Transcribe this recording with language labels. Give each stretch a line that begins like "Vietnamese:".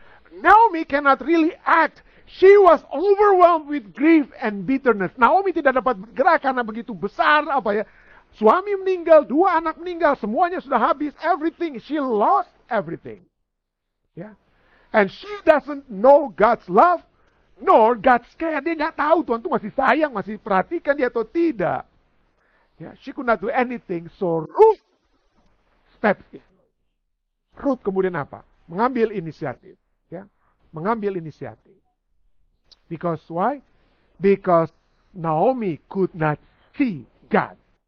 English: Naomi cannot really act. She was overwhelmed with grief and bitterness.
Indonesian: Naomi tidak dapat bergerak karena begitu besar apa ya. Suami meninggal, dua anak meninggal, semuanya sudah habis.
English: Everything. She lost everything. Yeah. And she doesn't know God's love. Nor God's care.
Indonesian: Dia gak tahu Tuhan itu masih sayang, masih perhatikan dia atau tidak.
English: Yeah, she could not do anything. So Ruth steps in. Ruth
Indonesian: kemudian apa? Mengambil inisiatif. Yeah. Mengambil inisiatif.
English: Because why? Because Naomi could not see God.